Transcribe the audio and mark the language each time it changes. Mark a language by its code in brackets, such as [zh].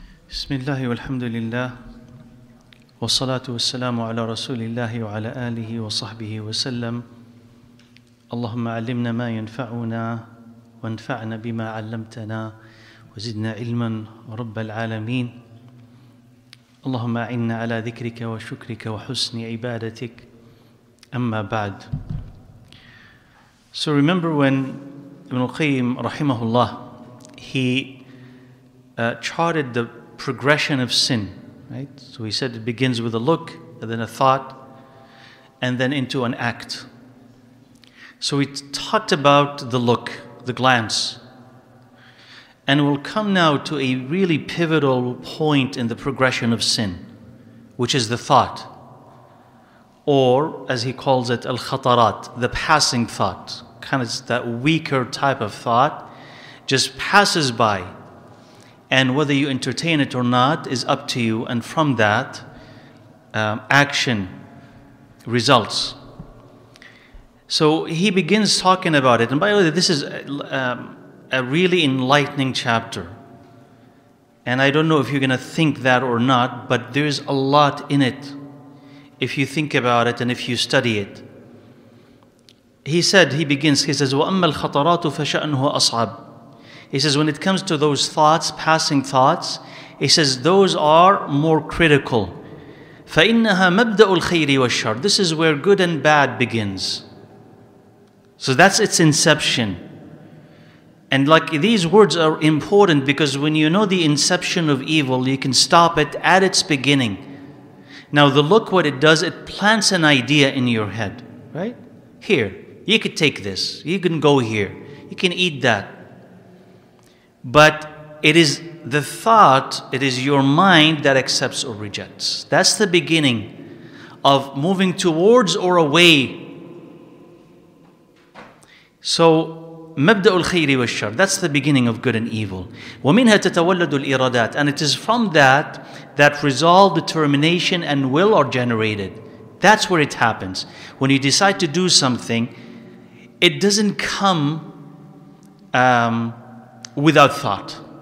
[ar] بسم الله والحمد لله والصلاة والسلام على رسول الله وعلى آله وصحبه وسلم اللهم علمنا ما ينفعنا وانفعنا بما علمتنا وزدنا علما رب العالمين اللهم أعنا على ذكرك وشكرك وحسن عبادتك أما بعد. [en] So remember when Ibn al-Qayyim رحمه الله he charted the progression of sin, right? So he said it begins with a look, and then a thought, and then into an act. So we talked about the look, the glance, and we'll come now to a really pivotal point in the progression of sin, which is the thought, or as he calls it, al-khatarat, the passing thought, kind of that weaker type of thought, just passes by. And whether you entertain it or not is up to you. And from that, action results. So he begins talking about it. And by the way, this is a really enlightening chapter. And I don't know if you're going to think that or not, but there's a lot in it if you think about it and if you study it. He says, [ar] وَأَمَّا الْخَطَرَاتُ فَشَأْنُهُ أَصْعَبُ. [en] He says, when it comes to those thoughts, passing thoughts, he says, those are more critical. [ar] فَإِنَّهَا مَبْدَأُ الْخَيْرِ وَالشَّرِ. [en] This is where good and bad begins. So that's its inception. And like these words are important because when you know the inception of evil, you can stop it at its beginning. Now the look, what it does, it plants an idea in your head, right? Here, you could take this. You can go here. You can eat that. But it is the thought, it is your mind that accepts or rejects. That's the beginning of moving towards or away. So, [ar] مَبْدَأُ الْخَيْرِ وَالشَّرِ. [en] That's the beginning of good and evil. [ar] وَمِنْهَا تَتَوَلَّدُ الْإِرَادَاتِ. [en] And it is from that, that resolve, determination, and will are generated. That's where it happens. When you decide to do something, it doesn't come without thought.